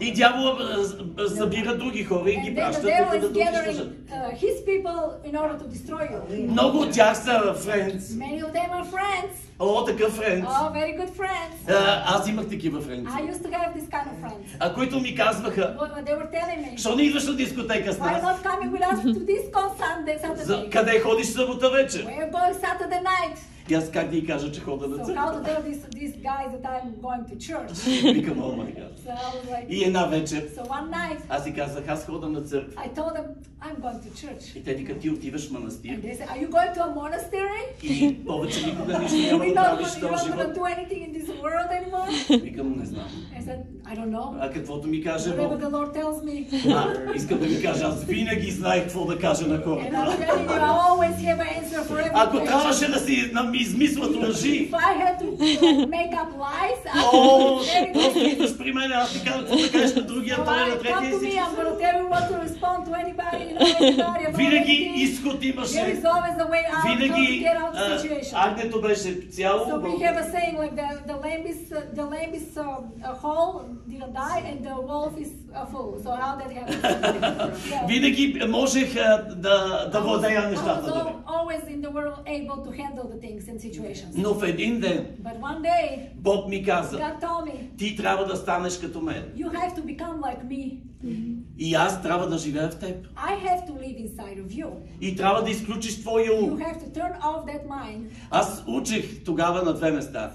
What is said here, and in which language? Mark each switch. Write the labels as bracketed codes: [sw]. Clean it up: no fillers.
[bg] И дявола събира други хора и ги праща тук да дружи. [en] And the devil is gathering his people in order to destroy you. [bg] Много от тях са friends. [en] Many of them are friends. [bg] О, такъв friends. [en] Oh, very good friends. [bg] Аз имах такива friends. [en] I used to have this kind of friends. [bg] Които ми казваха. [en] What they were telling me. [bg] Що не идваш на дискотека с нас? [en] Why not coming with us to disco Sunday, Saturday? [bg] За къде ходиш събота вечер? [en] Where are you going Saturday night? [bg] И аз как да ѝ кажа, че хода на църква? [en] So how to tell this guy that I'm going to church? [bg] Викам, [en] oh my God. So I was like, [bg] и една вечер. [en] So one night. [bg] Аз ѝ казах, аз хода на църква. [en] I told them, I'm going to church. [bg] И те дикат, ти отиваш в манастир. [en] And they said, are you going to a monastery? [bg] И повече никога нищо няма да правиш в този живот. [en] You're not going to do anything in this world anymore? [bg] Викам, не знам. [en] I said, I don't know. [bg] А каквото ми каже Бог. [en] Whatever the Lord tells me. [bg] Искам да ми кажа, аз винаги знаех какво да кажа на хората. [en] And I'm telling you, I always have an answer for everything. [bg] Ако трябваше да си измислят лъжи. [en] If I had to make up lies, [bg] идваш при мен, аз ти казвам, какво да кажеш на другия, той на третия си. [en] I'm gonna tell you what to respond to anybody in my story. [bg] Винаги изход имаше. [en] There is always a way out. [bg] Винаги агнето беше цяло. [en] So we have a saying like the lamb is whole, didn't die, and the wolf is full. So how that happens? [bg] Винаги можех да владея нещата. [en] I was always in the world able to handle the thing. Situations. [bg] Но в един ден [en] day, [bg] Бог ми каза, [en] God told me, [bg] ти трябва да станеш като мен. [en] You have to become like me. [bg] И аз трябва да живея в теб. [en] I have to live inside of you. [bg] И трябва да изключиш твоя ум. [en] You have to turn off that mind. [bg] Аз учих тогава на две места.